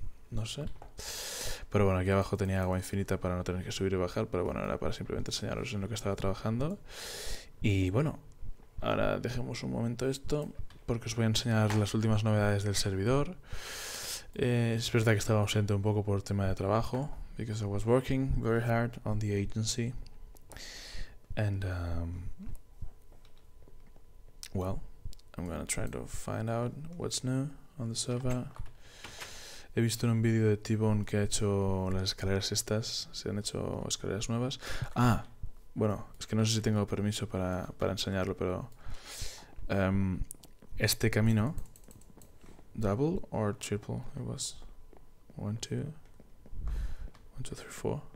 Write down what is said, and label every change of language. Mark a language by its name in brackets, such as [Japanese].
[Spanish] No sé. Pero bueno, aquí abajo tenía agua infinita para no tener que subir y bajar. Pero bueno, era para simplemente enseñaros en lo que estaba trabajando. Y bueno, ahora dejemos un momento esto, porque os voy a enseñar las últimas novedades del servidor. Es verdad que estaba ausente un poco por tema de trabajo. [English] Because I was working very hard on the agency, and well, I'm gonna try to find out what's new on the server. [Spanish] He visto en un vídeo de T-Bone que ha hecho las escaleras estas, se han hecho escaleras nuevas. Ah, bueno, es que no sé si tengo permiso para enseñarlo, pero este camino, [English] double or triple, it was 1, 2, 3, 4.